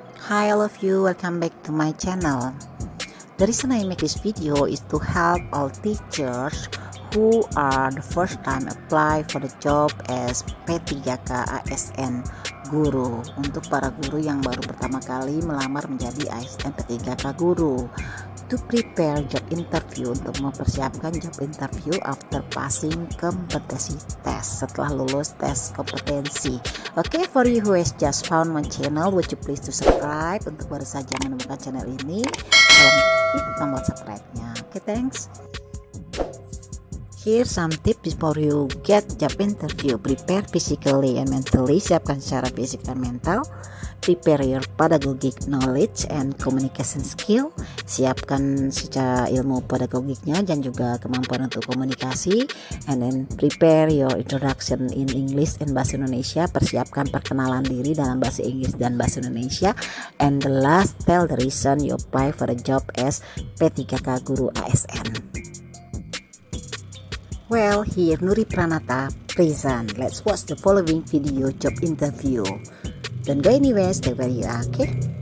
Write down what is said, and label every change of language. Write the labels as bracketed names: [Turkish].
[English] Hi, all of you, welcome back to my channel. The reason I make this video is to help all teachers who are the first time apply for the job as P3K ASN guru. [Indonesian] Untuk para guru yang baru pertama kali melamar menjadi ASN P3K guru, [English] to prepare job interview, [Indonesian] untuk mempersiapkan job interview [English] after passing kompetensi test, [Indonesian] setelah lulus tes kompetensi. [English] Okay, for you who has just found my channel, would you please to subscribe. [Indonesian] Untuk baru saja menemukan channel ini, klik tombol subscribe-nya. [English] Okay, thanks. Here some tips before you get job interview. Prepare physically and mentally. [Indonesian] Siapkan secara fisik dan mental. [English] Prepare your pedagogic knowledge and communication skill. [Indonesian] Siapkan secara ilmu pedagogiknya dan juga kemampuan untuk komunikasi. [English] And then prepare your introduction in English and Bahasa Indonesia. [Indonesian] Persiapkan perkenalan diri dalam Bahasa Inggris dan Bahasa Indonesia. [English] And the last, tell the reason you apply for a job as P3K Guru ASN. Well, here Nuri Pranata present. Let's watch the following video job interview. Don't go anywhere, stay where you are, okay?